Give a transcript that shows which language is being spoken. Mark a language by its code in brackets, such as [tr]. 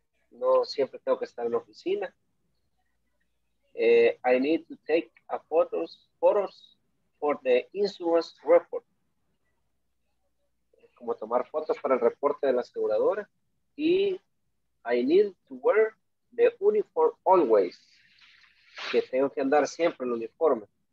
[es] No siempre tengo que estar en la oficina. [en] I need to take a photos for the insurance report. [es] Como tomar fotos para el reporte de la aseguradora. [en] Y I need to wear the uniform always. [es] Que tengo que andar siempre en el uniforme.